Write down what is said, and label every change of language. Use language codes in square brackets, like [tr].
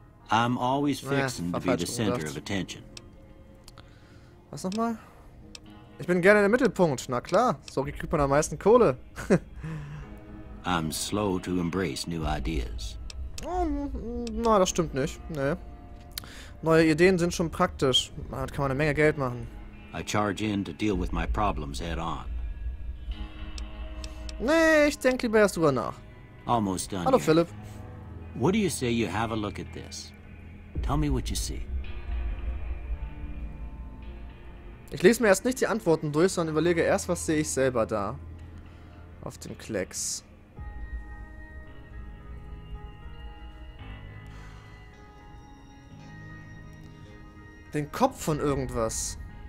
[en] I'm always fixing to be the center of attention. [de] Was nochmal? Ich bin gerne der Mittelpunkt. Na klar, so kriegt man am meisten Kohle. [en] I'm slow to embrace new ideas. [de] Na, das stimmt nicht. Nee. Neue Ideen sind schon praktisch. Damit kann man eine Menge Geld machen. [en] I charge in to deal with my problems head on. [de] Nee, ich denke lieber erst drüber nach. [en] Almost done. [de] Hallo, Philipp. [en] What do you say you have a look at this? Tell me what you see. [de] Ich lese mir erst nicht die Antworten durch, sondern überlege erst, was sehe ich selber da. Auf dem Klecks. Den Kopf von irgendwas.